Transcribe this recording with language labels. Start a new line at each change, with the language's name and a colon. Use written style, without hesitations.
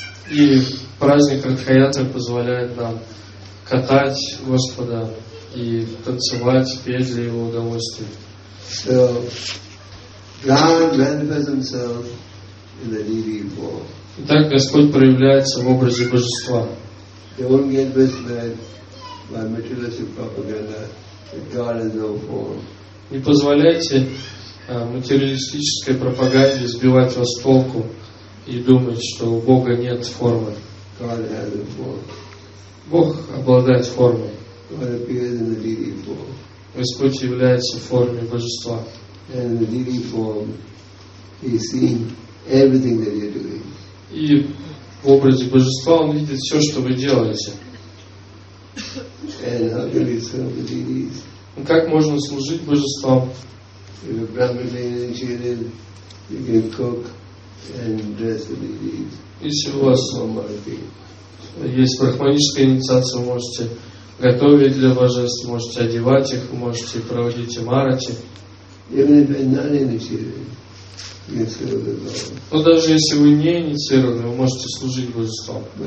Russian: И праздник Радхаятры позволяет нам катать Господа и танцевать, петь для Его удовольствия.
English: So, God manifests Himself in the deity form.
Russian: Итак, Господь проявляется в образе Божества.
English: They won't get this bad by materialistic propaganda that God has no form.
Russian: Не позволяйте материалистической пропаганде сбивать вас с толку и думать, что у Бога нет формы.
English: God has a form.
Russian: Бог обладает формой.
English: God appears in the deity form.
Russian: Господь является в форме Божества.
English: And in the deity form, he sees everything that you're doing.
Russian: И в образе Божества он видит все, что вы делаете.
English: And how can you serve the deities?
Russian: Как можно служить Божествам?
English: If a Brahmin is initiated, you can cook and dress the deities.
Russian: Если у вас есть брахманическая инициация, вы можете готовить для божеств, можете одевать их, можете проводить имарати. Но даже если вы не инициированы, вы можете служить божествам.